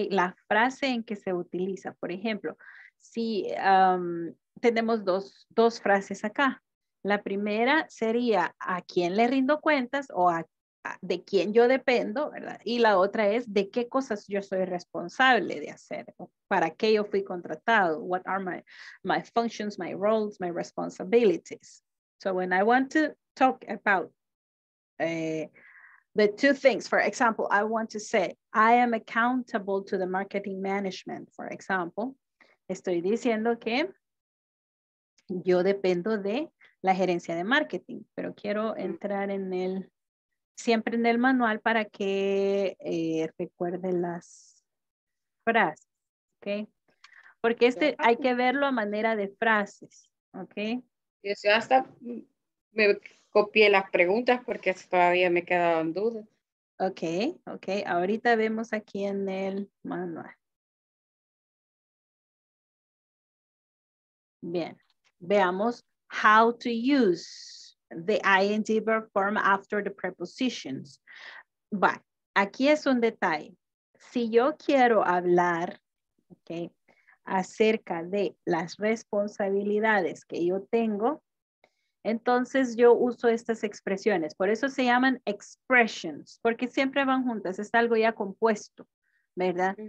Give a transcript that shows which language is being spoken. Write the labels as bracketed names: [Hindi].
[Spanish] La frase en que se utiliza. Por ejemplo, si tenemos dos frases acá. La primera sería, ¿a quién le rindo cuentas? O ¿de quién yo dependo? ¿Verdad? Y la otra es, ¿de qué cosas yo soy responsable de hacer? ¿Para qué yo fui contratado? [English] What are my functions, my roles, my responsibilities? So when I want to talk about the two things, for example, I want to say, I am accountable to the marketing management, for example. [Spanish] Estoy diciendo que yo dependo de la gerencia de marketing, pero quiero entrar en el, siempre en el manual para que recuerde las frases, ¿ok? Porque este hay que verlo a manera de frases, ¿ok? Yo hasta me copié las preguntas porque todavía me quedaban dudas. Ok, ok. Ahorita vemos aquí en el manual. Bien. Veamos [English] how to use the ing verb form after the prepositions. But [Spanish] aquí es un detalle. Si yo quiero hablar, ok, acerca de las responsabilidades que yo tengo, entonces yo uso estas expresiones, por eso se llaman expressions, porque siempre van juntas, es algo ya compuesto, ¿verdad?